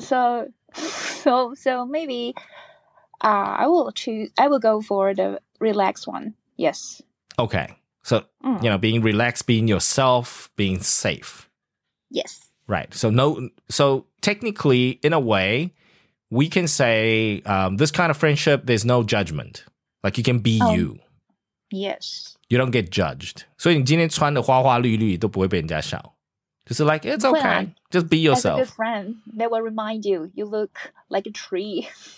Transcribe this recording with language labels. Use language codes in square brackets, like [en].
[en] So maybe I will go for the relaxed one, yes. Okay, so, you know, being relaxed, being yourself, being safe. Yes. Right. So technically, in a way, we can say this kind of friendship, there's no judgment. Like you can be you. Yes. You don't get judged. [zh] 所以你今天穿的花花绿绿都不会被人家笑。就是 [en] like, it's okay. Yeah. Just be yourself. As a good friend, they will remind you, you look like a tree.